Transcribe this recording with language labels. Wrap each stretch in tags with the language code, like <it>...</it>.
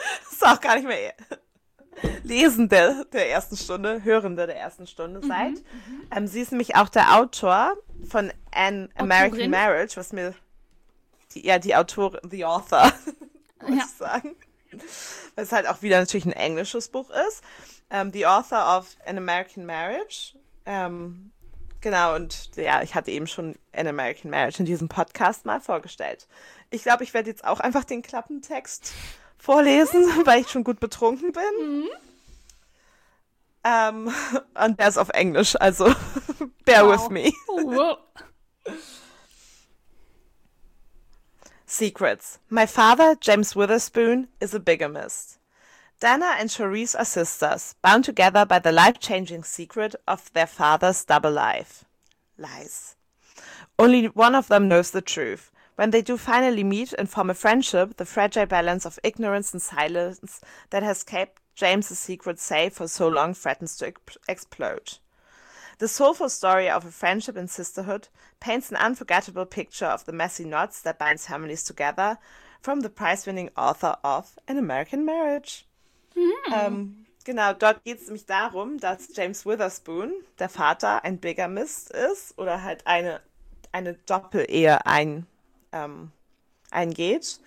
<de>Ist auch gar nicht mehr Lesende der ersten Stunde, Hörende der ersten Stunde seid. Mhm. Sie ist nämlich auch der Autor von An American Marriage, was mir die Autorin, muss ich sagen. Weil es halt auch wieder natürlich ein englisches Buch ist.</de> <en>The Author of An American Marriage.</en> <de>Genau, und ja, ich hatte eben schon An American Marriage in diesem Podcast mal vorgestellt. Ich glaube, ich werde jetzt auch einfach den Klappentext vorlesen, weil ich schon gut betrunken bin. Mm-hmm. Und der ist auf Englisch, also</de> <en>bear with me. Secrets. My father, James Witherspoon, is a bigamist. Dana and Charisse are sisters, bound together by the life-changing secret of their father's double life. Lies. Only one of them knows the truth. When they do finally meet and form a friendship, the fragile balance of ignorance and silence that has kept James's secret safe for so long threatens to explode. The soulful story of a friendship and sisterhood paints an unforgettable picture of the messy knots that binds families together from the prize-winning author of An American Marriage. Mm-hmm.</en> <de>Genau, dort geht es nämlich darum, dass James Witherspoon, der Vater, ein Bigamist ist oder halt eine Doppel-Ehe eingeht.</de>